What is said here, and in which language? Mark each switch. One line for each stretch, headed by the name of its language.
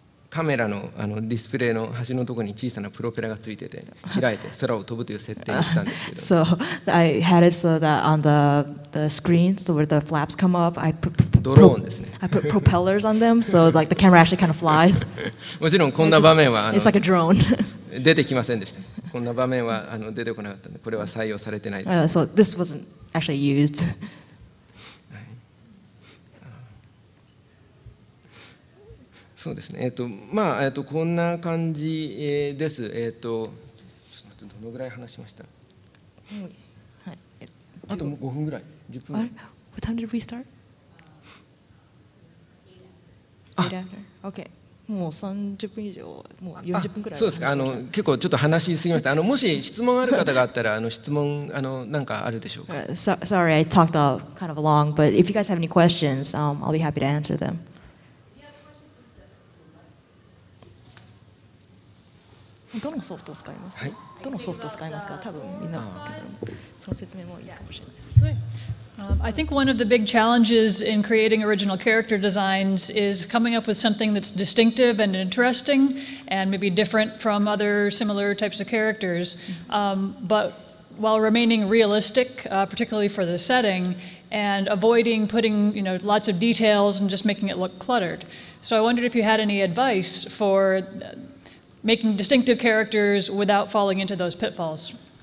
Japanese: カメラ の, ディスプレイの端のところに小さなプロペラがついてて開いて空を飛ぶという設定にしたんですけど
English: So I had it so that on the screen, so where the flaps come up, I
Japanese: ドローンですね
English: I put propellers on them, so like the camera actually kind of flies
Japanese: もちろんこんな場面は
English: It's like a drone
Japanese: 出てきませんでしたこんな場面は出てこなかったのでこれは採用されてないです、
English: So this wasn't actually used
Japanese: そうですね。こんな感じです。ちょっとどのぐらい話しました？あと5分ぐらい、10分ぐらい。
English: What time did we start? 8 after. Okay.
Japanese: もう30分以上、もう40分くらい。そうですか。結構ちょっと話しすぎました。もし質問ある方があったら、質問なんかあるでしょうか。
English: Sorry, I talked out kind of long, but if you guys have any questions, I'll be happy to answer them.
Japanese: どのソフトを使いますか、はい、どのソフトを使いますか多分みんなもその説明もいいかもしれないです、
English: はい、I think one of the big challenges in creating original character designs is coming up with something that's distinctive and interesting and maybe different from other similar types of characters、but while remaining realistic、particularly for the setting and avoiding putting you know, lots of details and just making it look cluttered so I wondered if you had any advice for、making distinctive characters without falling into those pitfalls.